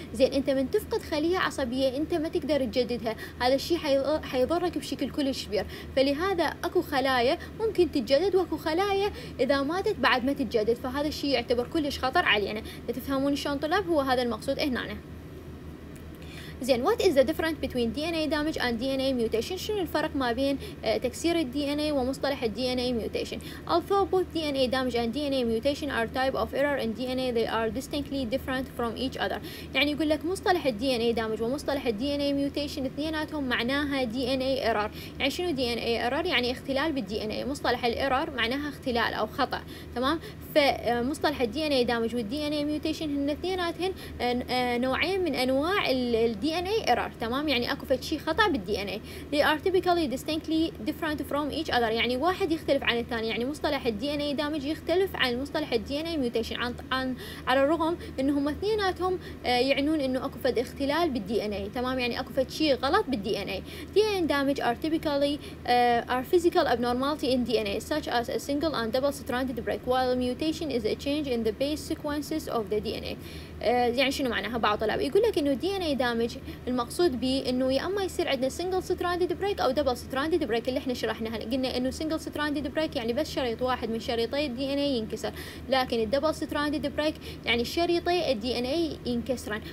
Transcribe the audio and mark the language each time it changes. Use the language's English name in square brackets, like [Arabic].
[Arabic] زين، انت من تفقد خليه عصبيه انت ما تقدر تجددها، هذا الشيء حيضرك بشكل كلش كبير. فلهذا اكو خلايا ممكن تتجدد واكو خلايا اذا ماتت بعد ما تتجدد، فهذا الشيء يعتبر كلش خطر علينا. تفهمون شلون طلاب؟ هو هذا المقصود هنا. [English] زين، what is the difference between DNA damage and DNA mutation؟ [Arabic] شنو الفرق ما بين تكسير الدي ان اي ومصطلح الدي ان اي ميوتيشن؟ [English] Although both DNA damage and DNA mutation are type of error in DNA, they are distinctly different from each other. [Arabic] يعني يقول لك مصطلح الدي ان اي damage ومصطلح الدي ان اي ميوتيشن اثنيناتهم معناها دي ان اي ايرور. يعني شنو دي ان اي ايرور؟ يعني اختلال بالدي ان اي. مصطلح الايرور معناها اختلال او خطا، تمام؟ فمصطلح الدي ان اي damage والدي ان اي ميوتيشن هن اثنيناتهن نوعين من انواع ال DNA error، تمام؟ يعني اكو فشي خطا بالدي ان اي. [English] they are typically distinctly different from each other، [Arabic] يعني واحد يختلف عن الثاني. يعني مصطلح الدي ان اي دامج يختلف عن مصطلح الدي ان اي ميوتيشن، عن على الرغم انهم اثنيناتهم يعنون انه اكو فد اختلال بالدي ان اي، تمام؟ يعني اكو فشي غلط بالدي ان اي. [English] D N damage are typically are physical abnormality in DNA such as a single and double stranded break, while mutation is a change in the base sequences of the DNA. [Arabic] يعني شنو معناها بعض طلاب؟ يقول لك انه دي ان اي دامج المقصود به انه يا اما يصير عندنا سنجل ستراندد بريك او دبل ستراندد بريك. اللي احنا شرحناها قلنا انه سنجل ستراندد بريك يعني بس شريط واحد من شريطي الدي ان اي ينكسر، لكن الدبل ستراندد بريك يعني شريطي الدي ان اي ينكسران.